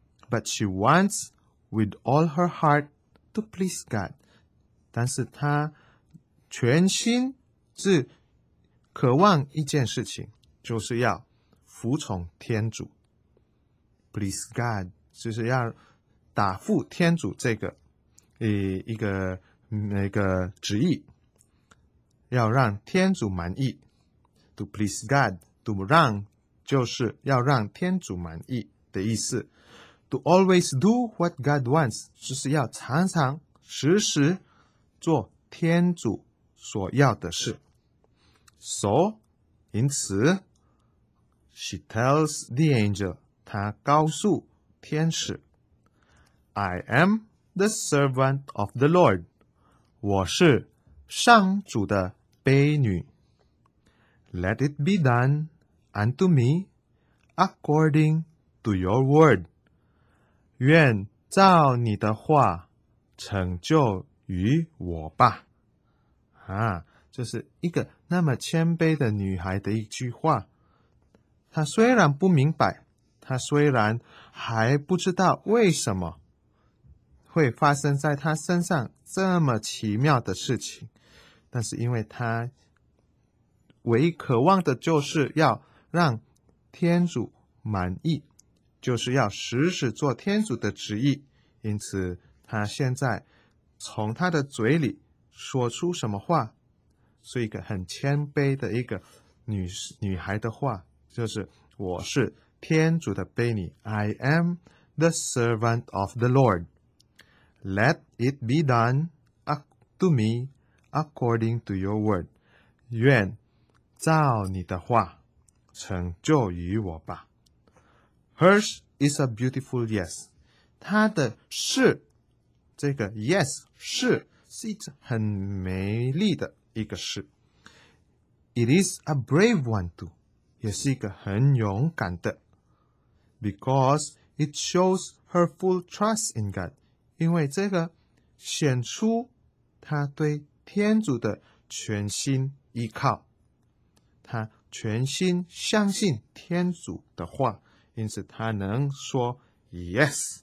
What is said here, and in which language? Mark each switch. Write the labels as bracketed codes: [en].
[en] but she wants with all her heart to please God. [zh] 但是她全心是渴望一件事情，就是要服从天主。 [en] Please God, [zh] 就是要答复天主这个一个旨意，要让天主满意。 [en] To please God, to [zh] 让就是要让天主满意的意思。 [en] To always do what God wants, [zh] 就是要常常时时做天主所要的事。 [en] So, [zh] 因此 [en] she tells the angel, [zh] 她告诉天使 [en] I am the servant of the Lord, [zh] 我是上主的婢女。 [en] Let it be done unto me according to your word. [zh] 愿照你的话成就于我吧。啊，就是一个那么谦卑的女孩的一句话。她虽然不明白，她虽然还不知道为什么会发生在她身上这么奇妙的事情，但是因为她唯一渴望的就是要让天主满意，就是要时时做天主的旨意，因此她现在从她的嘴里说出什么话，是一个很谦卑的一个女孩的话，就是我是天主的婢女， [en] I am the servant of the Lord. Let it be done to me according to your word. [zh] 愿照你的话成就于我吧。 [en] Hers is a beautiful yes. [zh] 她的是，这个 yes 是一很美丽的一个是。 [en] It is a brave one too. [zh] 也是一个很勇敢的。 [en] Because it shows her full trust in God. [zh] 因为这个显出她对天主的全心依靠。她全心相信天主的话，因此她能说 yes.